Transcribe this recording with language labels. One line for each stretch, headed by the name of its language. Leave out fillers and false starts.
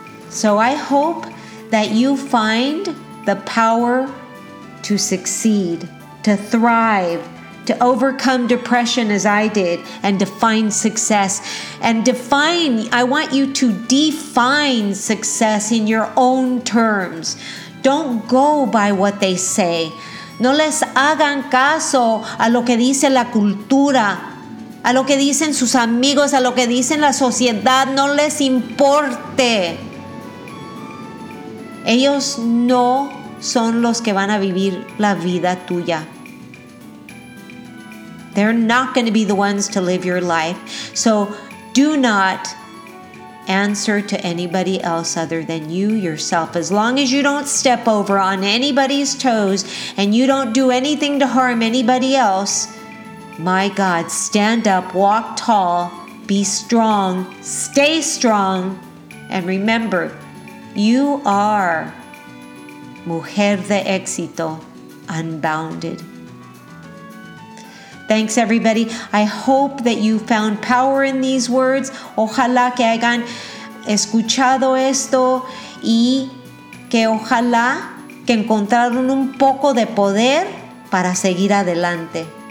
English: So I hope that you find the power to succeed, to thrive, to overcome depression as I did, and define success. And define, I want you to define success in your own terms. Don't go by what they say.
Spanish: No les hagan caso a lo que dice la cultura, a lo que dicen sus amigos, a lo que dicen la sociedad. No les importe. Ellos no son los que van a vivir la vida tuya.
English: They're not going to be the ones to live your life. So do not answer to anybody else other than you yourself. As long as you don't step over on anybody's toes and you don't do anything to harm anybody else, my God, stand up, walk tall, be strong, stay strong, and remember, you are Mujer de Éxito, unbounded. Thanks, everybody. I hope that you found power in these words.
Spanish: Ojalá que hayan escuchado esto y que ojalá que encontraron un poco de poder para seguir adelante.